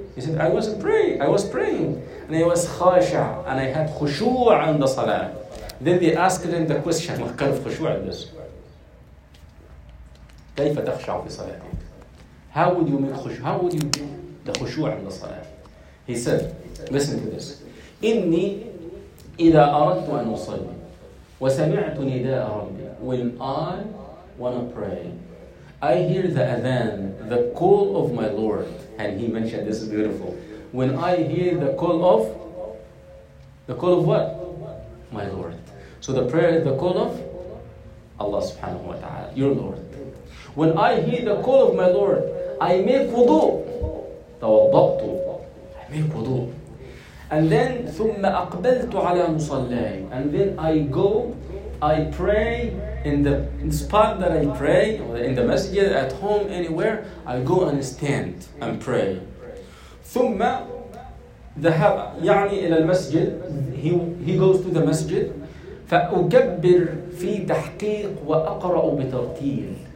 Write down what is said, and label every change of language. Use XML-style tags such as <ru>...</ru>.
<en>He said, I was praying. And I was khashah, and I had khushu' on the salah. Then they asked him the question, what kind of khushu' is this?</en> <ar>كيف تخشع في صلاتك?</ar> <en>How would you make khushu'? How would you do the khushu' on the salah? He said, listen to this.</en> <ar>إني إذا أردت أن أصلي وسمعت نداء ربي.</ar> <en>When I want to pray, I hear the adhan, the call of my Lord. And he mentioned, this is beautiful. When I hear the call of what? My Lord. So the prayer is the call of Allah subhanahu wa ta'ala, your Lord. When I hear the call of my Lord, I make wudu. Tawaddatu. make wudu. And then</en> <ar>ثُمَّ أَقْبَلْتُ عَلَى مُصَلَّيْهِ.</ar> <en>And then I go, I pray in the spot that I pray, in the masjid, at home, anywhere, I go and stand and pray.</en> <ar>ثُمَّ ذَهَبَ يَعْنِي إِلَى الْمَسْجِدِ.</ar> <en>He goes to the masjid.</en> <ar>فَأُكَبِّرْ فِي تَحْقِيقُ وَأَقْرَأُ بِتَرْتِيلِ.</ar>